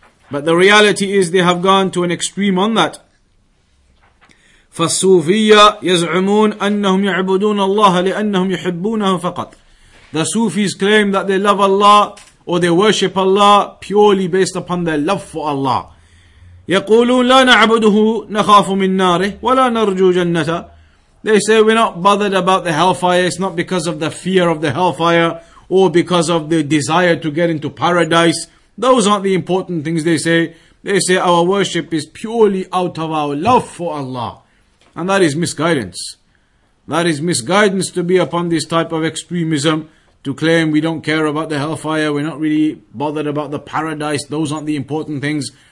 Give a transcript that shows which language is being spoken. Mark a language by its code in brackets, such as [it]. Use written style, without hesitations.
[en] But the reality is they have gone to an extreme on that. [ar] فَالصُّوفِيَّ يَزْعُمُونَ أَنَّهُمْ يَعْبُدُونَ اللَّهَ لِأَنَّهُمْ يُحِبُّونَهُ فَقَطْ. [en] The Sufis claim that they love Allah or they worship Allah purely based upon their love for Allah. [ar] يقولون لا نعبده نخاف من ناره ولا نرجو جنته. [en] They say we're not bothered about the hellfire. It's not because of the fear of the hellfire or because of the desire to get into paradise. Those aren't the important things they say. They say our worship is purely out of our love for Allah. And that is misguidance. That is misguidance to be upon this type of extremism, to claim we don't care about the hellfire, we're not really bothered about the paradise, those aren't the important things.